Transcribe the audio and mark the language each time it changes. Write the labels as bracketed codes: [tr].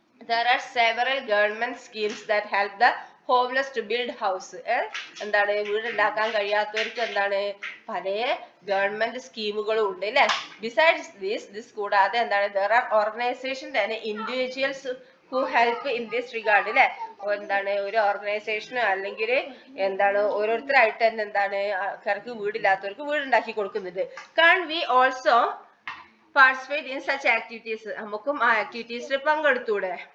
[en] There are several government schemes that help the homeless to build house. [ml] എന്താണ് വീടുണ്ടാക്കാൻ കഴിയാത്തവർക്ക് എന്താണ് പല government സ്കീമുകളും ഉണ്ട് അല്ലെ. [en] besides this [ml] കൂടാതെ എന്താണ്, [en] there are organizations and individuals who help in this regard [ml] അല്ലെ. എന്താണ് ഒരു ഓർഗനൈസേഷനോ അല്ലെങ്കിൽ എന്താണ് ഓരോരുത്തരായിട്ട് തന്നെ എന്താണ് ആൾക്കാർക്ക് വീടില്ലാത്തവർക്ക് വീടുണ്ടാക്കി കൊടുക്കുന്നത്. [en] can we also participate in such activities, [ml] നമുക്കും ആ ആക്ടിവിറ്റീസിൽ പങ്കെടുത്തൂടെ.